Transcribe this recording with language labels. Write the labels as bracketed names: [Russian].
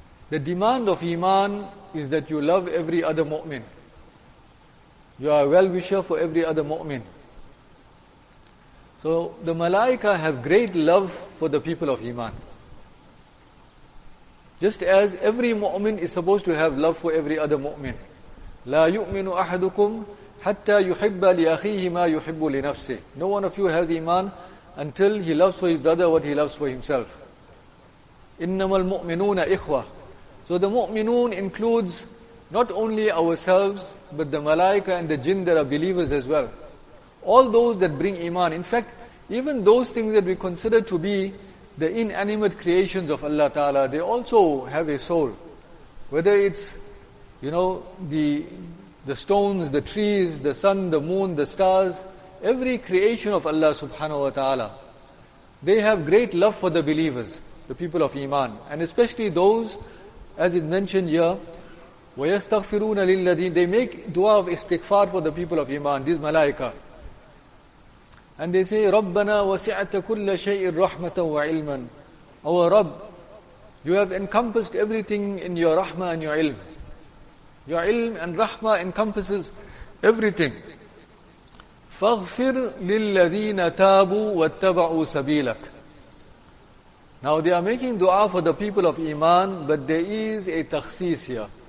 [English] The demand of Iman is that you love every other mu'min. You are a well-wisher for every other mu'min. So the malaika have great love for the people of Iman. Just as every mu'min is supposed to have love for every other mu'min. [Arabic] لا يؤمن أحدكم حتى يحب لأخيه ما يحب لنفسه. [English] No one of you has Iman until he loves for his brother what he loves for himself. [Arabic] إنما المؤمنون إخوة. [English] So the mu'minun includes not only ourselves, but the malaika and the jinn that are believers as well. All those that bring Iman, in fact, even those things that we consider to be the inanimate creations of Allah Ta'ala, they also have a soul. Whether it's, you know, the stones, the trees, the sun, the moon, the stars, every creation of Allah subhanahu wa ta'ala, they have great love for the believers, the people of Iman. And especially those, as it mentioned here, [Arabic] وَيَسْتَغْفِرُونَ لِلَّذِينَ. [English] They make dua of istighfar for the people of Iman, these malaika. [Arabic] And they say, رَبَّنَا وَسِعَتَ كُلَّ شَيْءٍ رَحْمَةً وَعِلْمًا. [English] Our Rabb, you have encompassed everything in your rahmah and your ilm. Your ilm and rahmah encompasses everything. [Arabic] فَغْفِرْ لِلَّذِينَ تَابُوا وَاتَّبَعُوا سَبِيلَكَ. [English] Now they are making dua for the people of Iman, but there is a takhsis here.